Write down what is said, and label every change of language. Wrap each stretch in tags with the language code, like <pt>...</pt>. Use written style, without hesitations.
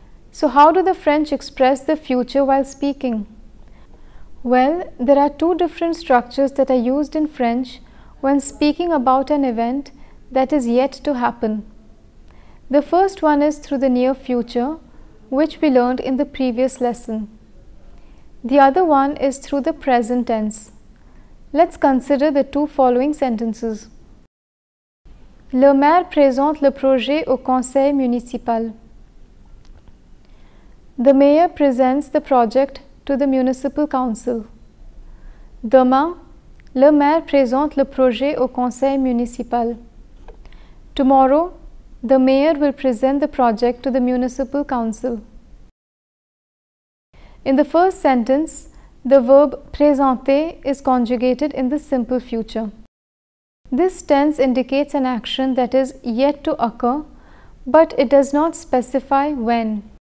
<en>So how do the French express the future while speaking? Well, there are two different structures that are used in French when speaking about an event that is yet to happen. The first one is through the near future, which we learned in the previous lesson. The other one is through the present tense. Let's consider the two following sentences.</en> <fr>Le maire présente le projet au conseil municipal.</fr> <en>The mayor presents the project to the municipal council.</en> <fr>Demain, le maire présente le projet au conseil municipal.</fr> <en>Tomorrow, the mayor will present the project to the municipal council. In the first sentence, the verb présenter is conjugated in the simple future. This tense indicates an action that is yet to occur, but it does not specify when.</en>